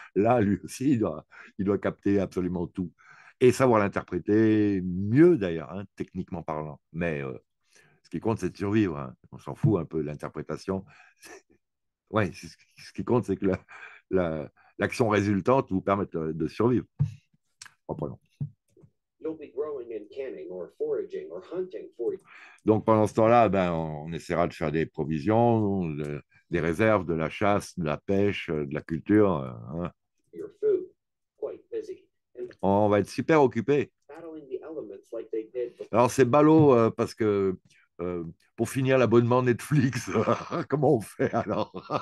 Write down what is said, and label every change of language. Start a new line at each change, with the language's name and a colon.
French: Là, lui aussi, il doit capter absolument tout et savoir l'interpréter mieux d'ailleurs, hein, techniquement parlant. Mais ce qui compte, c'est de survivre. Hein. On s'en fout un peu de l'interprétation. Ouais, ce qui compte, c'est que l'action résultante vous permette de survivre. Reprenons.
English: You'll be growing and canning or foraging or hunting for.
French: Donc pendant ce temps-là, ben, on essaiera de faire des provisions, des réserves, de la chasse, de la pêche, de la culture. Hein.
English: Your food, quite busy. And
French: On va être super occupé.
English: Battling the elements like they did before.
French: Alors c'est ballot parce que pour finir l'abonnement Netflix, comment on fait alors?